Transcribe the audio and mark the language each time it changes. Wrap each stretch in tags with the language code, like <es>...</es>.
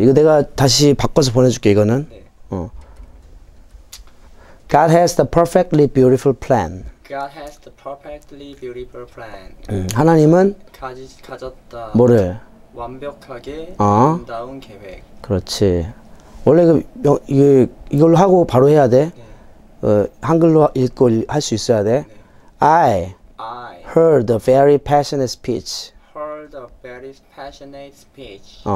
<ko>이거 내가 다시 바꿔서 보내줄게, 이거는.</ko> <en>God has the perfectly beautiful plan. God has the perfectly beautiful plan</en> <ko>하나님은 가졌다 뭐를? 완벽하게 아름다운 계획 그렇지. 원래 그 이걸로 하고 바로 해야 돼. 한글로 읽고 할수 있어야 돼.</ko> <en>I I heard a very passionate speech. heard a very passionate speech.</en>